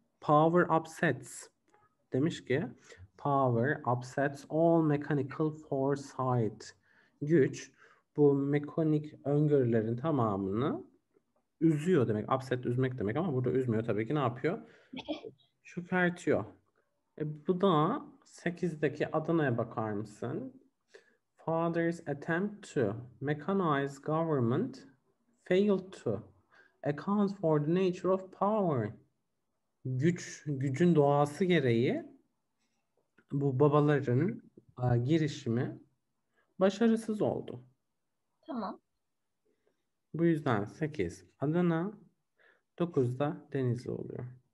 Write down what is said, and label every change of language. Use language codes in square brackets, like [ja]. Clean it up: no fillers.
[en] Power upsets. [tr] Demiş ki, [en] power upsets all mechanical foresight. [tr] Güç bu mekanik öngörülerin tamamını üzüyor demek. Upset üzmek demek ama burada üzmüyor tabii ki, ne yapıyor? Çökertiyor. Bu da 8'deki Adana'ya bakar mısın? [en] Father's attempt to mechanize government failed to account for the nature of power. [tr] Gücün doğası gereği bu babaların girişimi başarısız oldu. Tamam. Bu yüzden 8 Adana, 9'da Denizli oluyor.